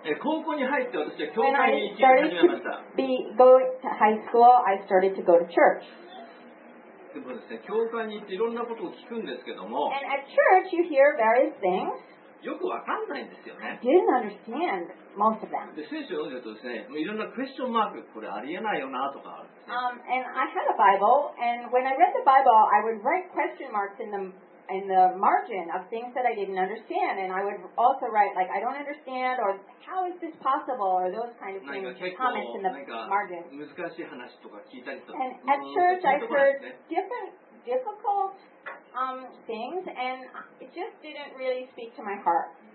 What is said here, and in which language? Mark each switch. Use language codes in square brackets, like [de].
[ja] 高校に入って私は教会に行き始めました。 [en] When I started to go to high school, I started to go to church. [ja] でもですね、教会に行っていろんなことを聞くんですけども、 [en] And at church you hear various things. [ja] よくわかんないんですよね。 [en] I didn't understand most of them. [ja] で、聖書を読んでるとですね、もういろんなクエスチョンマーク、これありえないよなとかあるんですね。 [en] And I had a Bible, and when I read the Bible, I would write question marks in the margin of things that I didn't understand, and I would also write like I don't understand or how is this possible or those kind of things, comments in the margin. And at church, I heard different difficult things, and it just didn't really speak to my heart.